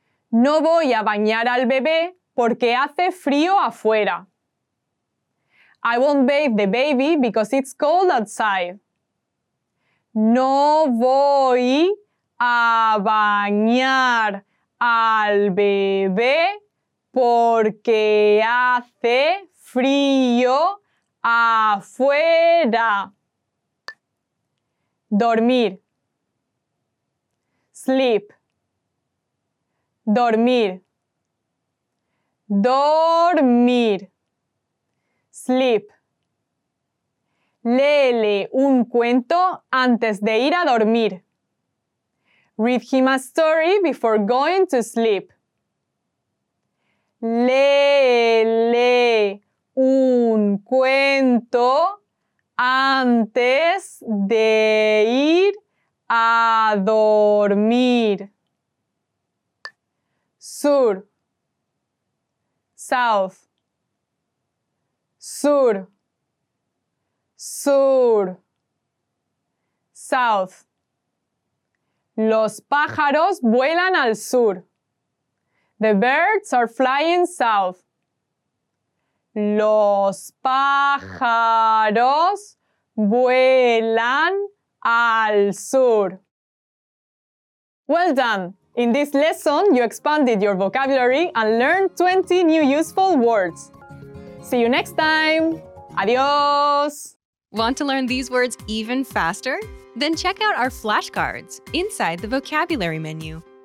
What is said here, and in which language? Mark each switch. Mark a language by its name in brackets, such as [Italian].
[Spanish] No voy a bañar al bebé porque hace frío afuera. [English] I won't bathe the baby because it's cold outside. [Spanish] No voy a bañar al bebé porque hace frío afuera. Dormir. [English] Sleep. [Spanish] Dormir. Dormir. [English] Sleep. [Spanish] Léele un cuento antes de ir a dormir. [English] Read him a story before going to sleep. [Spanish] Léele un cuento antes de ir a dormir. Sur. [English] South. [Spanish] Sur. Sur. [English] South. [Spanish] Los pájaros vuelan al sur. [English] The birds are flying south. [Spanish] Los pájaros vuelan al sur. [English] Well done! In this lesson, you expanded your vocabulary and learned 20 new useful words. See you next time! Adios! Want to learn these words even faster? Then check out our flashcards inside the vocabulary menu.